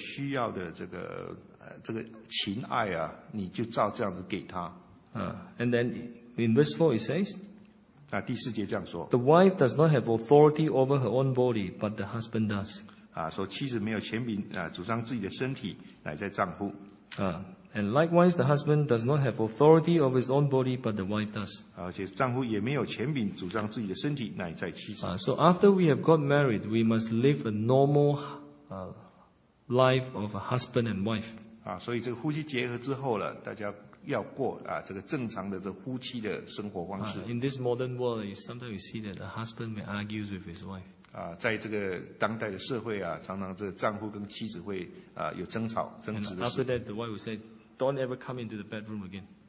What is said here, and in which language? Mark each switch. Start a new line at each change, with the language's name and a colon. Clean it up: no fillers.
Chinese: 就是说呢，要给这个太太所需要的这个情爱啊， 你就照这样子给她。
English: And then in verse 4 it says,
Chinese: 第四节这样说,
English: the wife does not have authority over her own body, but the husband does.
Chinese: 说妻子没有权柄主张自己的身体, 乃在丈夫。
English: And likewise, the husband does not have authority over his own body, but the wife does.
Chinese: 而且丈夫也没有权柄主张自己的身体, 乃在妻子。
English: So after we have got married, we must live a normal life of a husband and wife.
Chinese: 所以这个夫妻结合之后了, 大家要过, 这个正常的这夫妻的生活方式。
English: In this modern world, sometimes you see that a husband may argue with his wife.
Chinese: 在这个当代的社会啊, 常常这丈夫跟妻子会, 有争吵, 争执的事。
English: And after that, the wife will say, don't ever come into the bedroom again.